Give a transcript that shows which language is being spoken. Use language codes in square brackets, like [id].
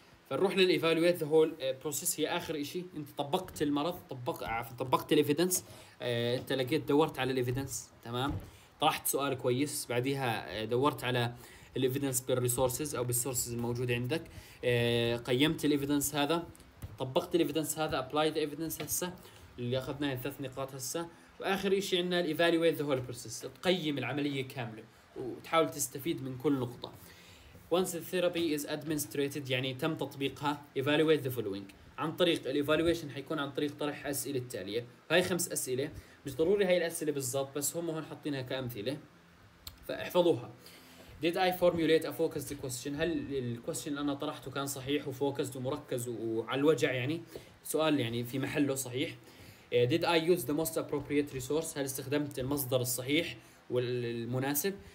[ar] فنروح للايفالويت ذا هول بروسيس، هي اخر اشي. انت طبقت المرض، طبقت الايفيدنس، انت لقيت دورت على الايفيدنس تمام، طرحت سؤال كويس، بعديها دورت على الإيفيدنس بالريسورسز أو بالسورسز الموجودة عندك، قيمت الإيفيدنس هذا، طبقت الإيفيدنس هذا، أبلايد إيفيدنس هسه اللي أخذناه ثلاث نقاط هسه، وآخر إشي عندنا الإيفاليويت ذا هول بروسيس، تقيم العملية كاملة وتحاول تستفيد من كل نقطة. [en] Once the therapy is administered [ar] يعني تم تطبيقها، [en] evaluate the following. [ar] عن طريق الإيفاليويشن حيكون عن طريق طرح أسئلة التالية، هاي خمس أسئلة، مش ضروري هاي الأسئلة بالضبط بس هم هون حاطينها كأمثلة فاحفظوها. [en] Did I formulate a focused question؟ [ar] هل الكويستشن اللي أنا طرحته كان صحيح وفوكسد ومركز وعلى الوجع، يعني سؤال يعني في محله صحيح؟ [en] Did I use the most appropriate resource؟ [ar] هل استخدمت المصدر الصحيح والمناسب؟